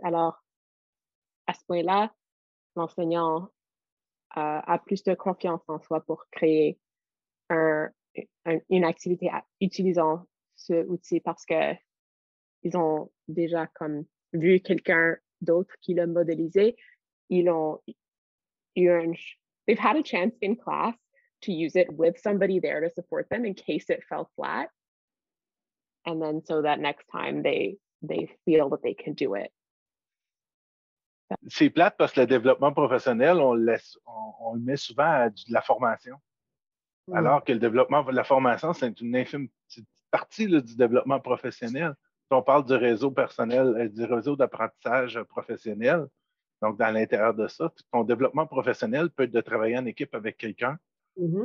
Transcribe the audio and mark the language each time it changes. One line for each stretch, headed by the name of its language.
French: Alors, à ce point-là, l'enseignant a plus de confiance en soi pour créer une activité utilisant ce outil parce que ils ont déjà comme vu quelqu'un d'autre qui l'a modélisé.
English: They've had a chance in class to use it with somebody there to support them in case it fell flat. And then so that next time they feel that they can do it.
French: C'est plate parce que le développement professionnel, on le met souvent à de la formation. Alors que le développement, la formation, c'est une infime partie là, du développement professionnel. On parle du réseau personnel, du réseau d'apprentissage professionnel, donc dans l'intérieur de ça, ton développement professionnel peut être de travailler en équipe avec quelqu'un, mm-hmm.